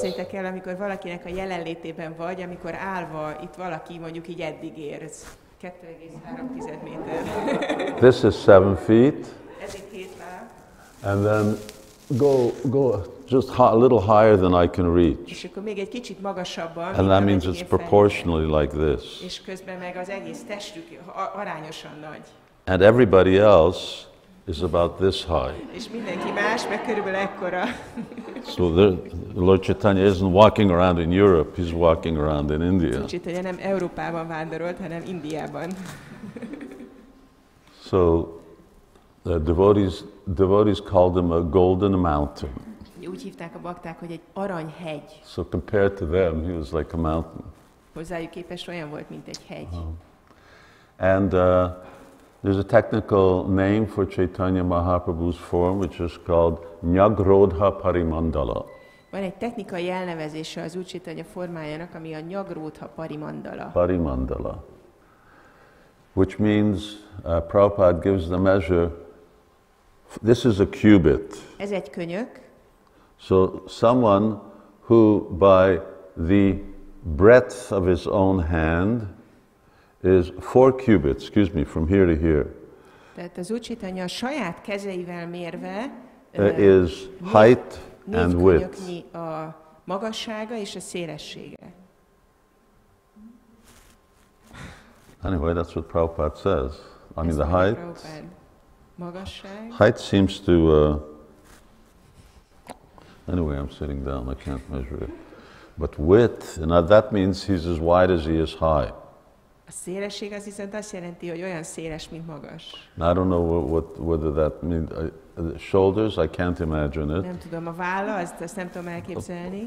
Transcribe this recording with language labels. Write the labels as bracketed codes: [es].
[hu] Képzeljétek el, amikor valakinek a jelenlétében vagy, amikor állva itt valaki mondjuk így eddig ér, 2.3 méter. [en] This is 7 feet. [hu] Ez itt 7 láb. [en] And then go just a little higher than I can reach. [hu] És akkor még egy kicsit magasabban. [en] And that means it's proportionally like this. [hu] És közben meg az egész testük arányosan nagy. [en] And everybody else is about this high. [hu] És mindenki más, meg körülbelül ekkora. [en] So Lord Chaitanya isn't walking around in Europe, he's walking around in India. [hu] Lord Chaitanya nem Európában vándorolt, hanem Indiában. [en] So the devotees called him a golden mountain. [hu] Úgy hívták a bakták, hogy egy aranyhegy. [en] So compared to them, he was like a mountain. [hu] Hozzájuk képest olyan volt, mint egy hegy. [en] There's a technical name for Chaitanya Mahaprabhu's form, which is called Nyagrodha Parimandala. [hu] Van egy technikai elnevezése az Úr Chaitanya formájának, ami a Nyagrodha Parimandala. [sa] Parimandala. [en] Which means Prabhupada gives the measure, this is a cubit. [hu] Ez egy könyök. [en] So someone who by the breadth of his own hand is 4 cubits, excuse me, from here to here. [hu] Tehát az Úr Chaitanya a saját kezeivel mérve [en] is height and width. [hu] Négy könyöknyi a magassága és a szélessége. [en] Anyway, that's what Prabhupada says. I mean, the height. [hu] Magasság. [en] Height seems to. Anyway, I'm sitting down. I can't measure it. But width, and that means he's as wide as he is high. [hu] A szélesség az viszont azt jelenti, hogy olyan széles, mint magas. [en] I don't know what whether that means. Shoulders, I can't imagine it. [hu] Nem tudom, a válla, azt nem tudom elképzelni.